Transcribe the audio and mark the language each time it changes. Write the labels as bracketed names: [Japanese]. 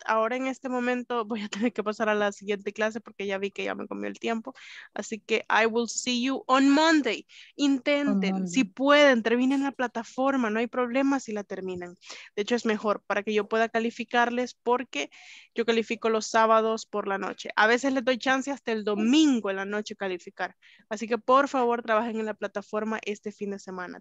[Spanish] Ahora en este momento voy a tener que pasar a la siguiente clase porque ya vi que ya me comió el tiempo. Así que [English] I will see you on Monday. [Spanish] Intenten, si pueden, terminen la plataforma. No hay problema si la terminan. De hecho, es mejor para que yo pueda calificarles porque yo califico los sábados por la noche. A veces les doy chance hasta el domingo en la noche calificar. Así que por favor, trabajen en la plataforma este fin de semana.